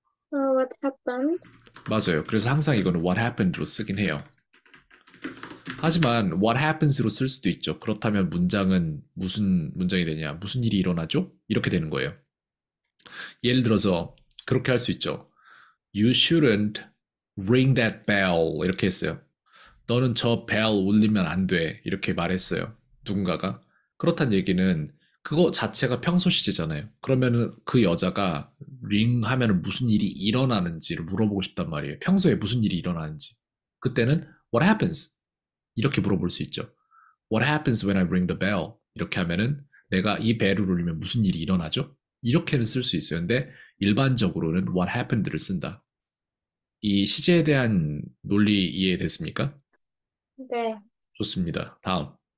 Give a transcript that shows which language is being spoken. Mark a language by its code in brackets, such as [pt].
[en] What happened? [ko] 맞아요. 그래서 항상 이거는 [en] what happened [ko] 로 쓰긴 해요. 하지만 [en] what happens [ko] 로 쓸 수도 있죠. 그렇다면 문장은 무슨 문장이 되냐? 무슨 일이 일어나죠? 이렇게 되는 거예요. 예를 들어서 그렇게 할수 있죠. [en] You shouldn't ring that bell. [ko] 이렇게 했어요. 너는 저벨 울리면 안 돼. 이렇게 말했어요. 누군가가. 그렇단 얘기는 그거 자체가 평소 시제잖아요. 그러면은 그 여자가 링 하면은 무슨 일이 일어나는지를 물어보고 싶단 말이에요. 평소에 무슨 일이 일어나는지. 그때는 [en] what happens? [ko] 이렇게 물어볼 수 있죠. [en] What happens when I ring the bell? [ko] 이렇게 하면은 내가 이 벨을 울리면 무슨 일이 일어나죠? 이렇게는 쓸수 있어요. 근데 일반적으로는 [en] what happened [ko] 를 쓴다. 이 시제에 대한 논리 이해됐습니까? 네. 좋습니다. 다음.